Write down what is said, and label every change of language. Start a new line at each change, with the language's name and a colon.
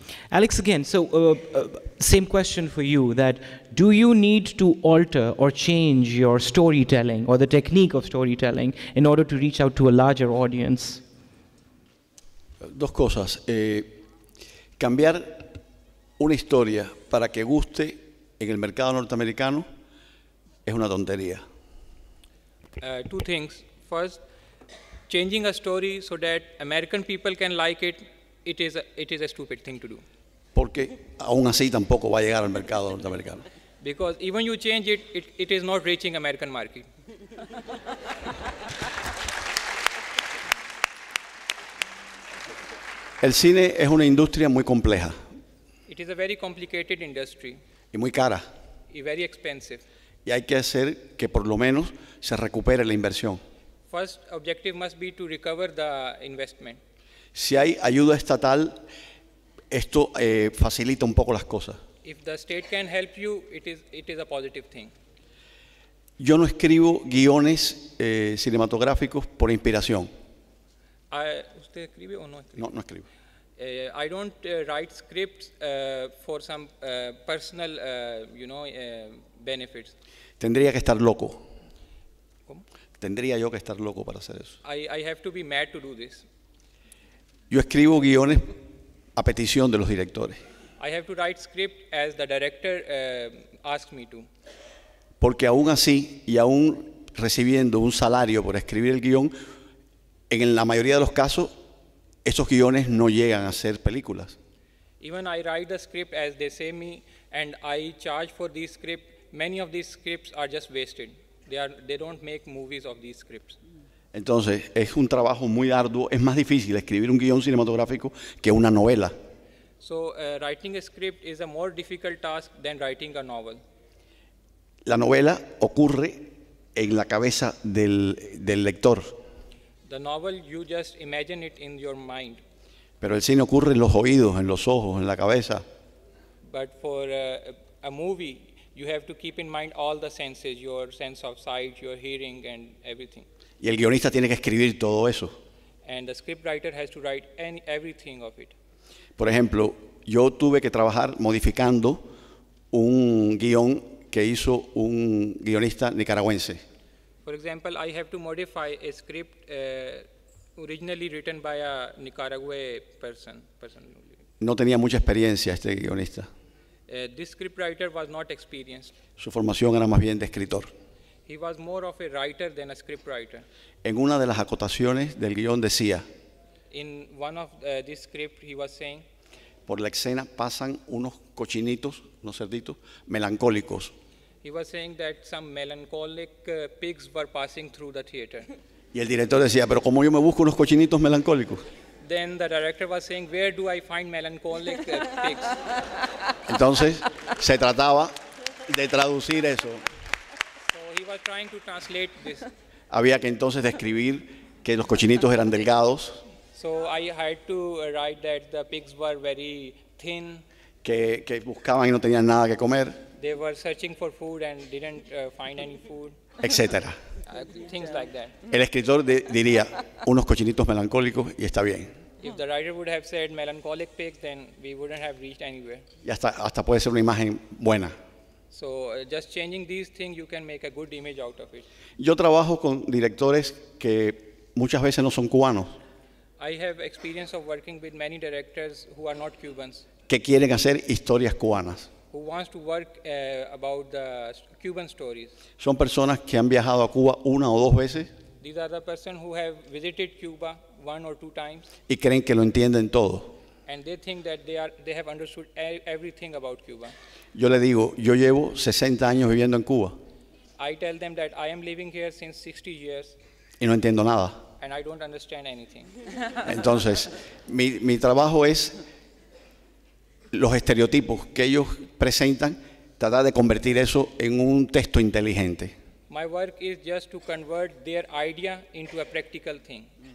English: Alex, again, so same question for you, that do you need to alter or change your storytelling or the technique of storytelling in order to reach out to a larger audience?
Spanish: Dos cosas. Cambiar una historia para que guste en el mercado norteamericano es una tontería.
English: Two things. First, changing a story so that American people can like it, it is a stupid thing to do.
Spanish: Porque aún así tampoco va a llegar al mercado norteamericano.
English: Because even you change it, it is not reaching American market.
Spanish: El cine es una industria muy compleja.
English: It is a very complicated industry.
Spanish: Y muy cara.
English: Y very expensive.
Spanish: Y hay que hacer que por lo menos se recupere la inversión.
English: First objective must be to recover the investment.
Spanish: Si hay ayuda estatal, esto facilita un poco las cosas.
English: If the state can help you, it is a positive thing.
Spanish: Yo no escribo guiones cinematográficos por inspiración. ¿Usted escribe o no escribe? No escribo.
English: I don't write scripts for some personal, you know, benefits.
Spanish: Tendría que estar loco. ¿Cómo? Tendría yo que estar loco para hacer eso.
English: I have to be mad to do this.
Spanish: Yo escribo guiones a petición de los directores.
English: I have to write script as the director asks me to.
Spanish: Porque aún así, y aún recibiendo un salario por escribir el guión, en la mayoría de los casos, esos guiones no llegan a ser películas.
English: Even I write the script as they say me, and I charge for this script, many of these scripts are just wasted. They don't make movies of these scripts.
Spanish: Entonces, es un trabajo muy arduo. Es más difícil escribir un guión cinematográfico que una novela.
English: So, writing a script is a more difficult task than writing a novel.
Spanish: La novela ocurre en la cabeza del lector.
English: The novel, you just imagine it in your mind.
Spanish: Pero el cine ocurre en los oídos, en los ojos, en la cabeza.
English: But for a movie, you have to keep in mind all the senses, your sense of sight, your hearing, and everything.
Spanish: Y el guionista tiene que escribir todo eso.
English: And the scriptwriter has to write everything of it.
Spanish: Por ejemplo, yo tuve que trabajar modificando un guion que hizo un guionista nicaragüense.
English: For example, I have to modify a script originally written by a Nicaraguan person.
Spanish: No tenía mucha experiencia este guionista.
English: This scriptwriter was not experienced.
Spanish: Su formación era más bien de escritor.
English: He was more of a writer than a scriptwriter.
Spanish: En una de las acotaciones del guion decía,
English: in one of this script he was saying,
Spanish: por la escena pasan unos cochinitos, unos cerditos, melancólicos.
English: He was saying that some melancholic pigs were passing through the theater.
Spanish: Y el director decía, pero como yo me busco unos cochinitos melancólicos.
English: Then the director was saying, where do I find melancholic pigs?
Spanish: Entonces, se trataba de traducir eso.
English: He was trying to translate this.
Spanish: Había que entonces describir que los cochinitos eran delgados.
English: So I had to write that the pigs were very thin.
Spanish: Que buscaban y no tenían nada que comer.
English: They were searching for food and didn't find any food.
Spanish: Etcétera.
English: Things like that.
Spanish: El escritor diría unos cochinitos melancólicos y está bien.
English: If the writer would have said melancholic pigs, then we wouldn't have reached anywhere.
Spanish: Y hasta puede ser una imagen buena.
English: So just changing these things, you can make a good image out of it.
Spanish: Yo trabajo con directores que muchas veces no son cubanos.
English: I have experience of working with many directors who are not Cubans.
Spanish: Que quieren hacer historias cubanas.
English: Who wants to work about the Cuban stories.
Spanish: Son personas que han viajado a Cuba una o dos veces.
English: These are the person who have visited Cuba one or two times.
Spanish: Y creen que lo entienden todo.
English: And they think that they have understood everything about Cuba.
Spanish: Yo le digo, yo llevo 60 años viviendo en Cuba.
English: I tell them that I am living here since 60 years.
Spanish: Y no entiendo nada.
English: And I don't understand anything.
Spanish: Entonces, mi trabajo es los estereotipos que ellos presentan, tratar de convertir eso en un texto inteligente.
English: My work is just to convert their idea into a practical thing.